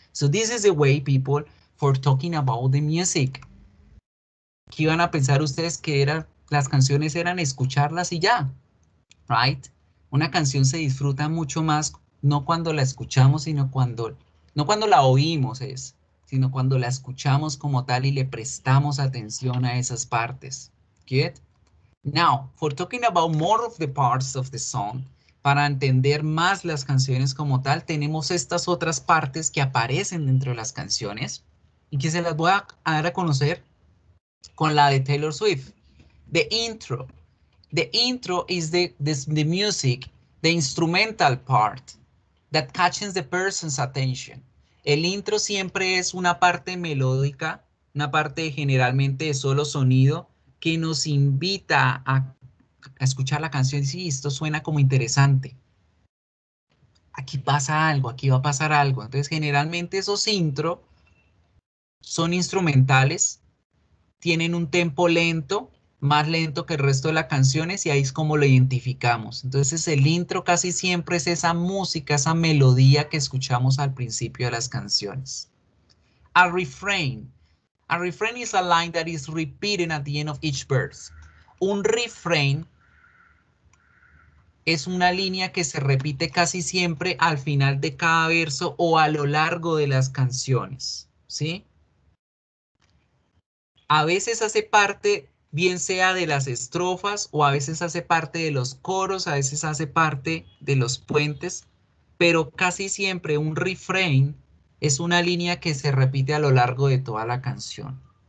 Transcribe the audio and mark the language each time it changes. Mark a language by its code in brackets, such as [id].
[en] So this is the way, people, for talking about the music. [es] ¿Qué iban a pensar ustedes que era, las canciones eran escucharlas y ya? Right? Una canción se disfruta mucho más, no cuando la escuchamos, sino cuando, no cuando la oímos, es, sino cuando la escuchamos como tal y le prestamos atención a esas partes. [en] Get? Now, for talking about more of the parts of the song, [es] para entender más las canciones como tal, tenemos estas otras partes que aparecen dentro de las canciones y que se las voy a dar a conocer con la de Taylor Swift. [en] The intro. The intro is the music, the instrumental part that catches the person's attention. [es] El intro siempre es una parte melódica, una parte generalmente de solo sonido, que nos invita a escuchar la canción. Sí, esto suena como interesante. Aquí pasa algo, aquí va a pasar algo. Entonces, generalmente esos intro son instrumentales, tienen un tempo lento, más lento que el resto de las canciones, y ahí es como lo identificamos. Entonces, el intro casi siempre es esa música, esa melodía que escuchamos al principio de las canciones. [en] A refrain. A refrain is a line that is repeated at the end of each verse. [es] Un refrain es una línea que se repite casi siempre al final de cada verso o a lo largo de las canciones, ¿sí? A veces hace parte, bien sea de las estrofas, o a veces hace parte de los coros, a veces hace parte de los puentes, pero casi siempre un refrain es una línea que se repite a lo largo de toda la canción.